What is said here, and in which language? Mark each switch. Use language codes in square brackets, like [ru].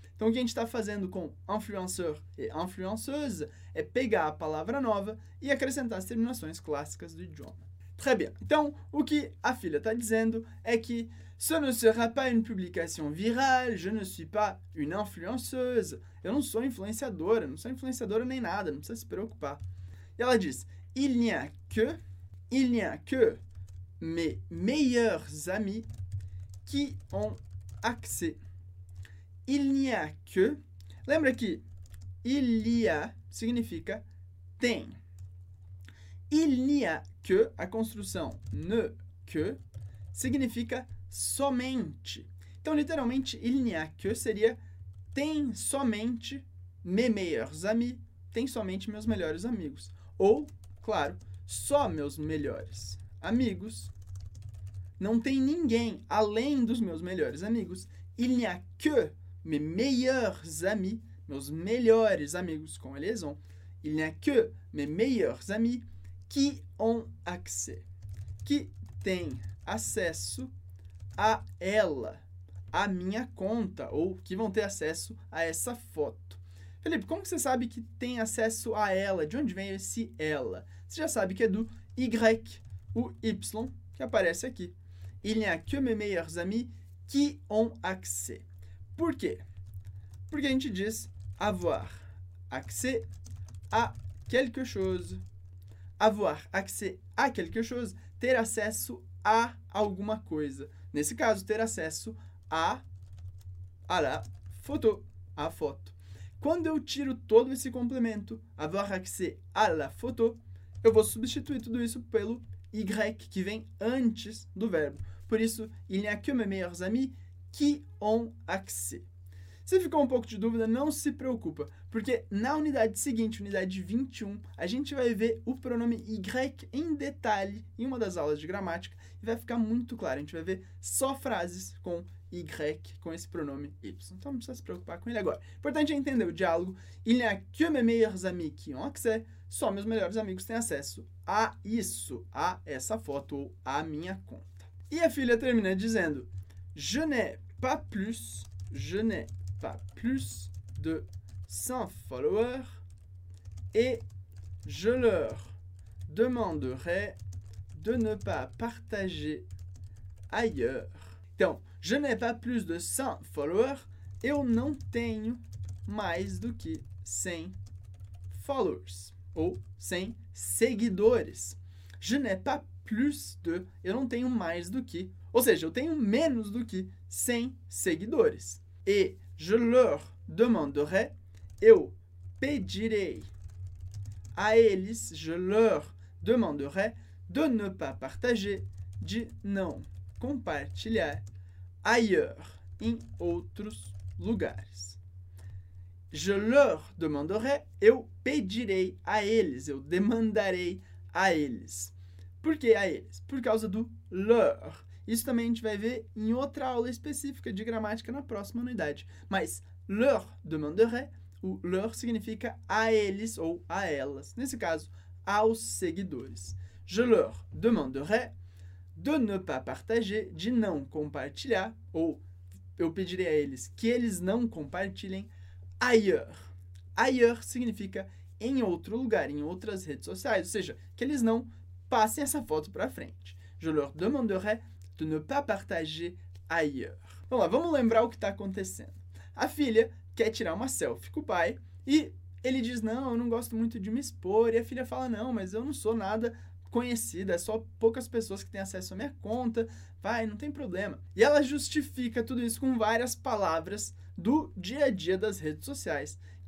[pt] Então, o que a gente está fazendo com influenceur e influenceuse é pegar a palavra nova e acrescentar as terminações clássicas do idioma. [fr] Très bien. [pt] Então, o que a filha está dizendo é que [fr] ce ne sera pas une publication virale, je ne suis pas une influenceuse. [pt] Eu não sou influenciadora, não sou influenciadora nem nada, não precisa se preocupar. E ela diz, [fr] il n'y a que mes meilleurs amis qui ont accès. Il n'y a que, [pt] lembra que [fr] il y a [pt] significa tem. [fr] Il n'y a que, [pt] a construção [fr] ne que, [pt] significa somente. Então, literalmente, [fr] il n'y a que [pt] seria tem somente [fr] mes meilleurs amis, [pt] tem somente meus melhores amigos. Ou, claro, só meus melhores amigos, não tem ninguém além dos meus melhores amigos. [fr] Il n'y a que mes meilleurs amis, [pt] meus melhores amigos, com a [fr] liaison. Il n'y a que mes meilleurs amis qui ont accès. [pt] Que tem acesso a ela, a minha conta, ou que vão ter acesso a essa foto. Felipe, como que você sabe que tem acesso a ela? De onde vem esse ela? Você já sabe que é do Y, o Y, que aparece aqui. [fr] Il n'y a que mes meilleurs amis qui ont accès. [pt] Por quê? [fr] Pour gagner une chidjis, avoir accès à quelque chose. Avoir accès à quelque chose, [pt] ter acesso a alguma coisa. Nesse caso, ter acesso [fr] à la photo, [pt] à foto. Quando eu tiro todo esse complemento, [fr] avoir accès à la photo, [pt] eu vou substituir tudo isso pelo y que vem antes do verbo. Por isso, [fr] il n'y a que mes meilleurs amis qui ont accès. [pt] Se ficou um pouco de dúvida, não se preocupa, porque na unidade seguinte, unidade 21, a gente vai ver o pronome y em detalhe em uma das aulas de gramática e vai ficar muito claro. A gente vai ver só frases com y, com esse pronome y. Então não precisa se preocupar com ele agora. Importante é entender o diálogo. [fr] Il n'y a que mes meilleurs amis qui ont accès. [pt] Só meus melhores amigos têm acesso a isso, a essa foto ou a minha conta. E a filha termina dizendo: [fr] Je n'ai pas plus, je n'ai pas plus de 100 followers et je leur demanderai de ne pas partager ailleurs. [pt] Então, [fr] je n'ai pas plus de 100 followers, [pt] eu não tenho mais do que 100 followers. Ou 100 seguidores. [fr] Je n'ai pas plus de... [pt] Eu não tenho mais do que... Ou seja, eu tenho menos do que 100 seguidores. E [fr] je leur demanderai... [pt] Eu pedirei a eles... [fr] Je leur demanderai de ne pas partager... [pt] De não compartilhar ailleurs, em outros lugares. [fr] Je leur demanderai, [pt] eu pedirei a eles, eu demandarei a eles. Por que a eles? Por causa do leur. Isso também a gente vai ver em outra aula específica de gramática na próxima unidade. Mas [fr] leur demanderai, [pt] o leur significa a eles ou a elas. Nesse caso, aos seguidores. [fr] Je leur demanderai de ne pas partager, [pt] de não compartilhar, ou eu pedirei a eles que eles não compartilhem, ailleurs. Ailleurs significa em outro lugar, em outras redes sociais, ou seja, que eles não passem essa foto para frente. [fr] Je leur demanderai de ne pas partager ailleurs. [pt] Vamos lá, vamos lembrar o que está acontecendo. A filha quer tirar uma selfie com o pai e ele diz, não, eu não gosto muito de me expor. E a filha fala, não, mas eu não sou nada conhecida, é só poucas pessoas que têm acesso à minha conta. Vai, não tem problema. E ela justifica tudo isso com várias palavras do dia a dia das redes sociais.